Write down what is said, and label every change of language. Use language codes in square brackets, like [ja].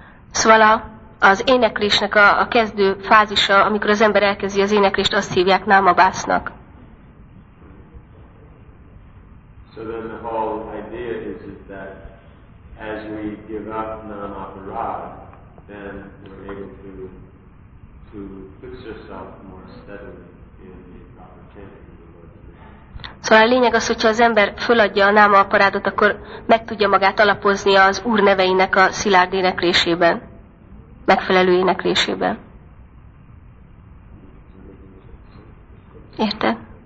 [hu] Szóval az éneklésnek a kezdő fázisa, amikor az ember elkezdi az éneklést, azt hívják Nama Bhasnak. [en] So then the whole idea is that as we give up Nama Parad, then we're able to fix ourselves more steadily in the proper chanting. [hu] Szóval a lényeg az, hogyha az ember föladja a Nama Paradot, akkor meg tudja magát alapozni az Úr neveinek a szilárd éneklésében. Megfelelő éneklésében. Érted?